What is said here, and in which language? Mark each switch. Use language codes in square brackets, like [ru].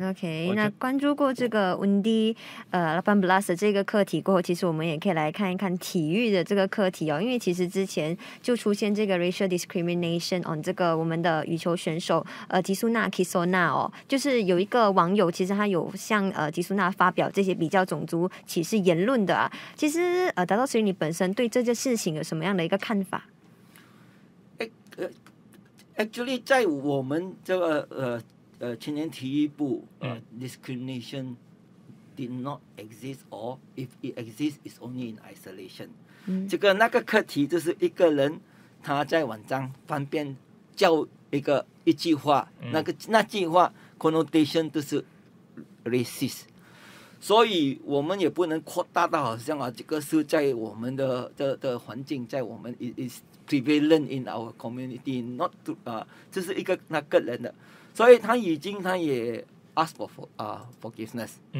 [zh] OK， 那关注过这个 Undi 18 的这个课题过后，其实我们也可以来看一看体育的这个课题哦。因为其实之前就出现这个 [en] racial discrimination on [zh] 这个我们的羽球选手吉苏娜 Kisona 哦，就是有一个网友其实他有向吉苏娜发表这些比较种族歧视言论的啊。其实达到水你本身对这件事情有什么样的一个看法？ [en] Actually， [zh] 在我们这个青年体育部 [en] discrimination did not exist， or if it exists， is only in isolation。 [zh] 这个那个课题就是一个人他在网上方便叫一句话，那句话 connotation 就是 racist。所以我们也不能扩大到好像这个是在我们的的环境，在我们 [en] is prevalent in our community， not to [zh] 这是一个那个人的，所以他也 [en] ask for forgiveness。